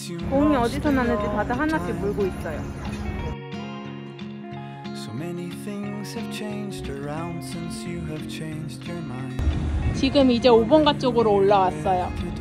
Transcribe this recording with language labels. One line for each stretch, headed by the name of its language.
Korean: 공이 어디서 나는지 다들 하나씩 물고 있어요.
English: So many things have changed around since you have changed your mind.
Korean: 지금 이제 5번가 쪽으로 올라왔어요.